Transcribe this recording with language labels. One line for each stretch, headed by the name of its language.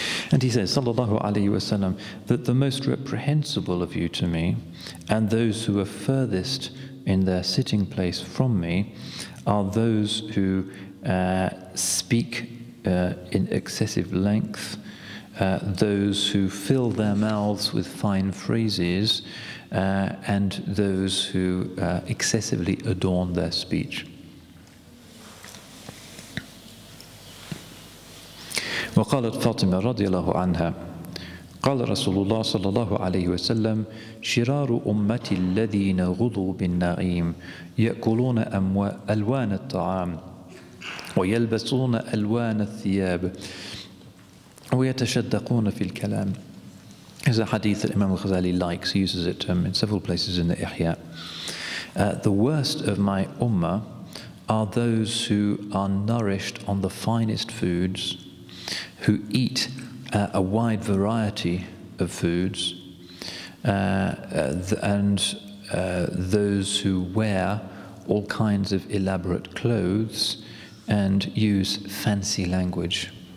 English: And he says, sallallahu alayhi wa sallam, that the most reprehensible of you to me and those who are furthest in their sitting place from me are those who speak in excessive length, those who fill their mouths with fine phrases, and those who excessively adorn their speech.
Arabic: وقالت فاطمة رضي الله عنها قال رسول الله صلى الله عليه وسلم شرار أمتي الذين غضوا بالنعيم يأكلون ألوان الطعام ويلبسون ألوان الثياب ويتشدقون في الكلام.
English: Is a hadith that Imam Ghazali likes. He uses it in several places in the Ihya. The worst of my ummah are those who are nourished on the finest foods, who eat a wide variety of foods, and those who wear all kinds of elaborate clothes and use fancy language.